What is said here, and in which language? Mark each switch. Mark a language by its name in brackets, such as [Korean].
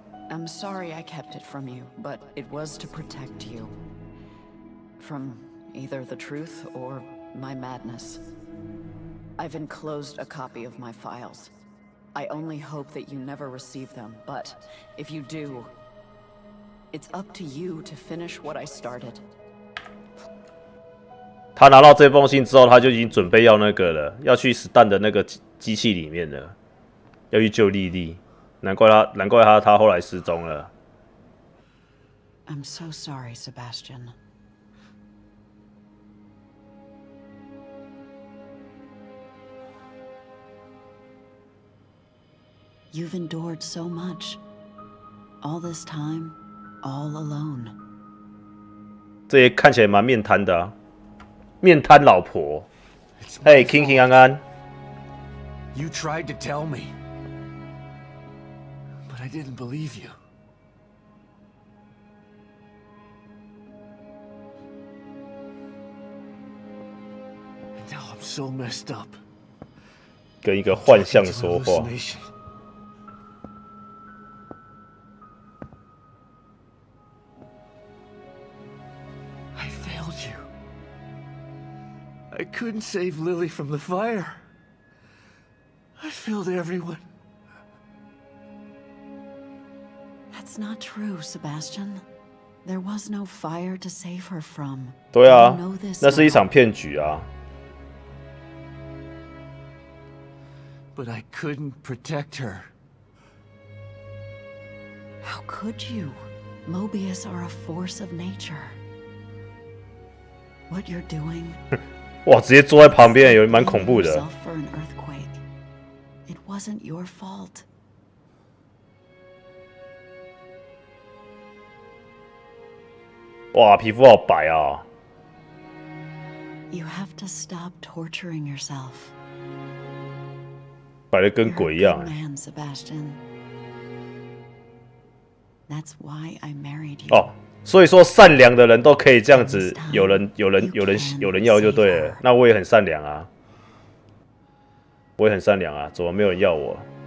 [English] I'm sorry I kept it from you, but it was to protect you from either the truth or my madness. I've enclosed a copy of my files. I only hope that you never receive them. But if you do, it's up to you to finish what I started. [Chinese] 他拿到这封信之后，他就已经准备要那个了，要去史丹的那个机器里面了。要去救莉莉，难怪他后来失踪了。 [English] I'm so sorry, Sebastian. [Chinese] 你 [English] endured so much, all this time, all alone. [Chinese] 这些看起来蛮面瘫的、啊，面瘫老婆。 [English] Hey, Kinky 安安。 You tried to tell me. I didn't believe you. And now I'm so messed up. [Chinese] 跟一个幻象说话。 [English] I failed you. I couldn't save Lily from the fire. I failed everyone. It's not true, Sebastian. There was no fire to save her from. [Chinese] 对啊，那是一场骗局啊。 [English] But I couldn't protect her. How could you? Mobius are a force of nature. what you're doing. [Chinese] 哇，直接坐在旁边，有蛮恐怖的。 [English] For an earthquake, it wasn't your fault. [Chinese] Wow, 皮肤好白啊。 [English] You have to stop torturing yourself. [Chinese] 白得跟鬼一样。 [English] You're a good man, Sebastian. That's why I married you. [Chinese] 所以说善良的人都可以这样子，有人要就对了。那我也很善良啊，我也很善良啊，怎么没有人要我？